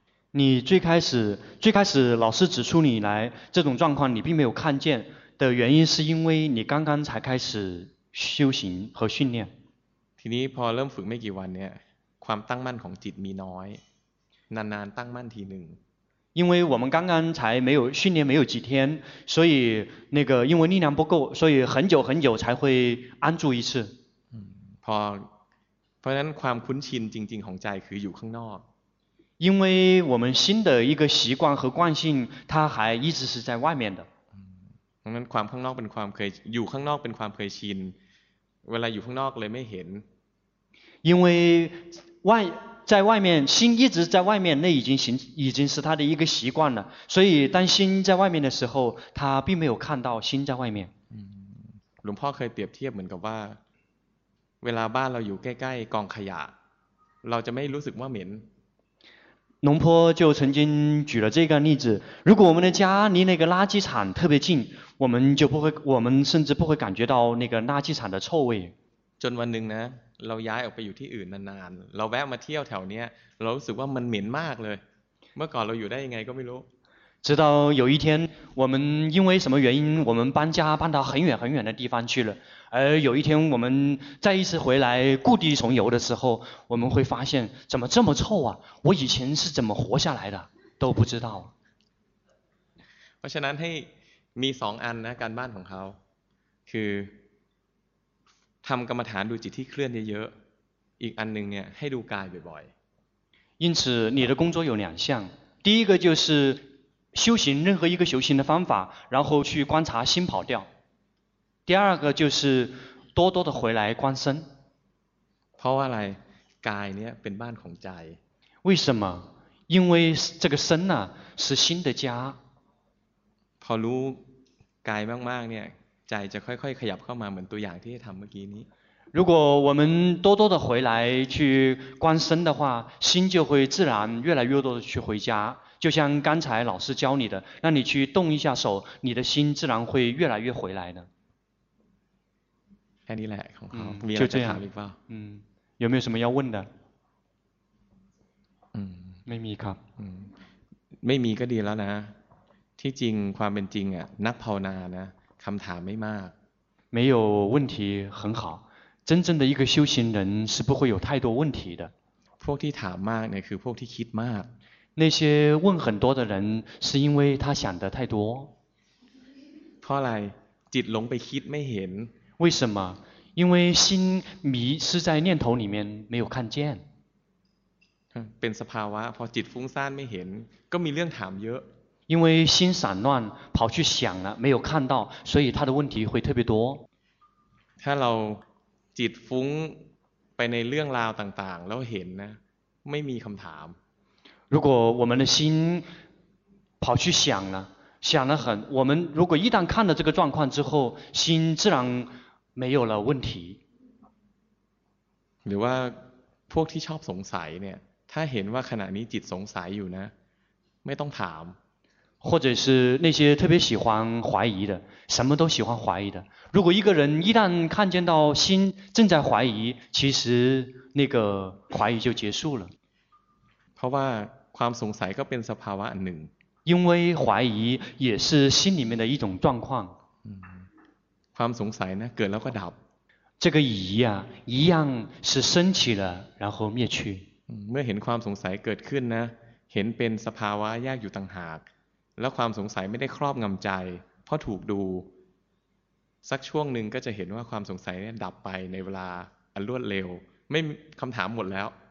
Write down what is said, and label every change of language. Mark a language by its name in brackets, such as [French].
[Chinese] 你最开始老师指出你来这种状况你并没有看见的原因是因为你刚刚才开始修行和训练 [Thai] ทีนี้พอเริ่มฝึกไม่กี่วันเนี่ยความตั้งมั่นของจิตมีน้อยนานๆตั้งมั่นทีหนึ่ง [Chinese] 因为我们刚刚才没有训练没有几天所以那个因为力量不够所以很久很久才会安住一次 [Thai] เพราะฉะนั้นความคุ้นชินจริงๆของใจคืออยู่ข้างนอก [Chinese] 因为我们心的一个习惯和惯性它还一直是在外面的 [Thai] เพราะนั้นความข้างนอกเป็นความเคยอยู่ข้างนอกเป็นความเคยชินเวลาอยู่ข้างนอกเลยไม่เห็น [Chinese] 因为在外面心一直在外面那已经是他的一个习惯了所以当心在外面的时候他并没有看到心在外面 [Thai] หลวงพ่อเคยเปรียบเทียบเหมือนกับว่าเวลาบ้านเราอยู่ใกล้ๆกองขยะเราจะไม่รู้สึกว่าเหม็น [Chinese] หลวงพ่อ就曾经举了这个例子如果我们的家离那个垃圾场特别近我们甚至不会感觉到那个垃圾场的臭味 [Thai] จนวันหนึ่งนะเราย้ายออกไปอยู่ที่อื่นนานๆเราแวะมาเที่ยวแถวนี้เรารู้สึกว่ามันเหม็นมากเลยเมื่อก่อนเราอยู่ได้ยังไงก็ไม่รู้ [Chinese] 直到有一天我们因为什么原因我们搬家搬到很远很远的地方去了而有一天我们再一次回来故地重游的时候我们会发现怎么这么臭啊我以前是怎么活下来的都不知道 [Thai] เพราะฉะนั้นให้มีสองอันนะการบ้านของเขาคือทำกรรมฐานดูจิตที่เคลื่อนเยอะๆอีกอันนึงเนี่ยให้ดูกายบ่อย [Chinese] ๆ因此你的工作有两项第一个就是修行任何一个修行的方法然后去观察心跑掉第二个就是多多的回来观身 [Thai] เพราะว่าอะไรกายเนี่ยเป็นบ้านของใจ [Chinese] 为什么因为这个身呢是心的家 [Thai] พอรู้กายมากๆเนี่ยใจจะค่อยๆขยับเข้ามาเหมือนตัวอย่างที่ทำเมื่อกี้นี้ [Chinese] 如果我们多多的回来去观身的话心就会自然越来越多的去回家就像刚才老师教你的让你去动一下手你的心自然会越来越回来的 [Thai] แค่นี้แหละของเขา จะถาม อีกเปล่า [Chinese] 有没有什么要问的 [Thai] ไม่มีครับ ไม่มีก็ดีแล้วนะที่จริงความเป็นจริงอ่ะนักภาวนานะคำถามไม่มาก [Chinese] 没有问题很好真正的一个修行人是不会有太多问题的 [Thai] พวกที่ถามมากเนี่ยคือพวกที่คิดมาก [Chinese] 那些问很多的人是因为他想的太多 [Thai] เพราะอะไรจิตหลงไปคิดไม่เห็น [Chinese] 为什么因为心迷失在念头里面没有看见 [Thai] เ ป็นสภาวะพอจิตฟุ้งซ่านไม่เห็นก็มีเรื่องถามเยอะ [Chinese] 因为心散乱跑去想了没有看到所以他的问题会特别多 [Thai] ถ้าเราจิตฟุ้งไปในเรื่องราวต่างๆแล้วเห็นนะไม่มีคำถาม [Chinese] 如果我们的心跑去想了想得很我们如果一旦看了这个状况之后心自然没有了问题 [Thai] หรือว่าพวกที่ชอบสงสัยเนี่ยถ้าเห็นว่าขณะนี้จิตสงสัยอยู่นะไม่ต้องถาม [Chinese] 或者是那些特别喜欢怀疑的什么都喜欢怀疑的如果一个人一旦看见到心正在怀疑其实那个怀疑就结束了 [Thai] เพราะว่าความสงสัยก็เป็นสภาวะหนึ่ง [Chinese] 因为怀疑也是心里面的一种状况 [Thai] ความสงสัยนะเกิดแล้วก็ดับ [Chinese] 这个疑啊一样是升起了然后灭去 [Thai] เมื่อเห็นความสงสัยเกิดขึ้นนะเห็นเป็นสภาวะแยกอยู่ต่างหากแล้วความสงสัยไม่ได้ครอบงำใจเพราะถูกดูสักช่วงหนึ่งก็จะเห็นว่าความสงสัยเนี่ยดับไปในเวลาอันรวดเร็วไม่คำถามหมดแล้ว